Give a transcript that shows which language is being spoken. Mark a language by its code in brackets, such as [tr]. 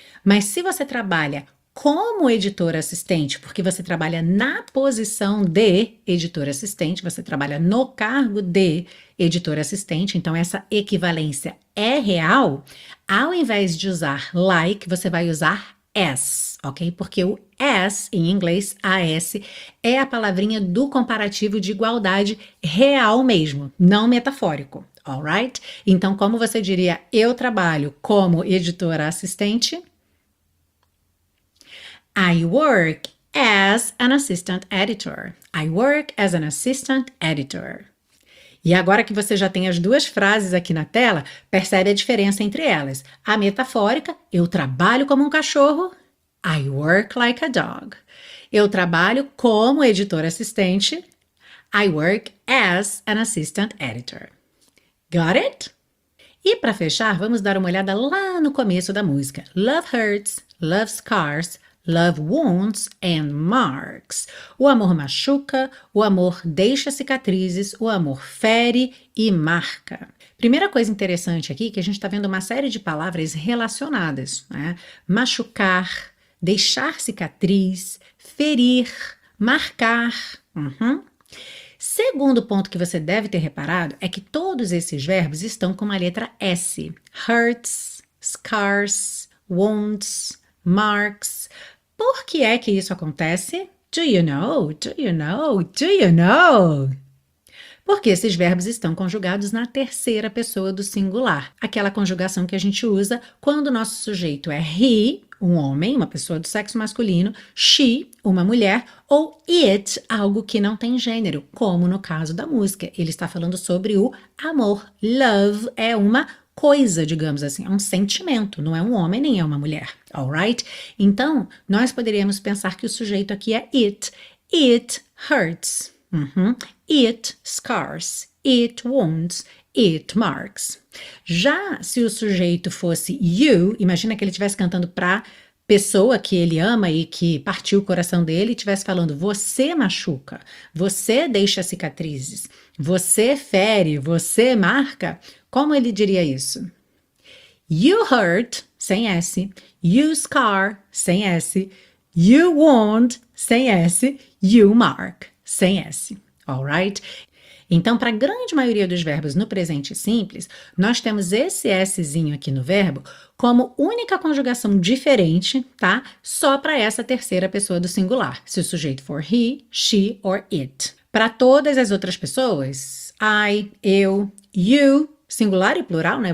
[pt] Mas se você trabalha como editora assistente, porque você trabalha na posição de editora assistente, você trabalha no cargo de editora assistente, então essa equivalência é real, ao invés de usar like, você vai usar as, ok? Porque o as em inglês, AS, é a palavrinha do comparativo de igualdade real mesmo, não metafórico, all right? Então, como você diria, eu trabalho como editora assistente? [en] I work as an assistant editor. I work as an assistant editor. [pt] E agora que você já tem as duas frases aqui na tela, percebe a diferença entre elas. A metafórica, eu trabalho como um cachorro. [en] I work like a dog. [pt] Eu trabalho como editor assistente. [en] I work as an assistant editor. Got it? [pt] E para fechar, vamos dar uma olhada lá no começo da música. [en] Love hurts, love scars, Love wounds and marks. [pt] O amor machuca, o amor deixa cicatrizes, o amor fere e marca. Primeira coisa interessante aqui, que a gente está vendo uma série de palavras relacionadas, né? Machucar, deixar cicatriz, ferir, marcar. Segundo ponto que você deve ter reparado é que todos esses verbos estão com a letra S. [en] Hurts, scars, wounds, marks. [pt] Por que é que isso acontece? [en] Do you know? Do you know? Do you know? [pt] Porque esses verbos estão conjugados na terceira pessoa do singular. Aquela conjugação que a gente usa quando o nosso sujeito é he, um homem, uma pessoa do sexo masculino, she, uma mulher, ou it, algo que não tem gênero, como no caso da música. Ele está falando sobre o amor. Love é uma coisa, digamos assim, é um sentimento, não é um homem nem é uma mulher, alright? Então, nós poderíamos pensar que o sujeito aqui é it. [en] It hurts, It scars, it wounds, it marks. [pt] Já se o sujeito fosse you, imagina que ele estivesse cantando para pessoa que ele ama e que partiu o coração dele e estivesse falando, você machuca, você deixa cicatrizes, você fere, você marca. Como ele diria isso? [en] You hurt, [pt] sem S, [en] you scar, sem S, you wound, sem S, you mark, sem S, alright? [pt] Então, para a grande maioria dos verbos no presente simples, nós temos esse Szinho aqui no verbo como única conjugação diferente, tá? Só para essa terceira pessoa do singular, se o sujeito for he, she or it. Para todas as outras pessoas, I, eu, you, singular e plural, né?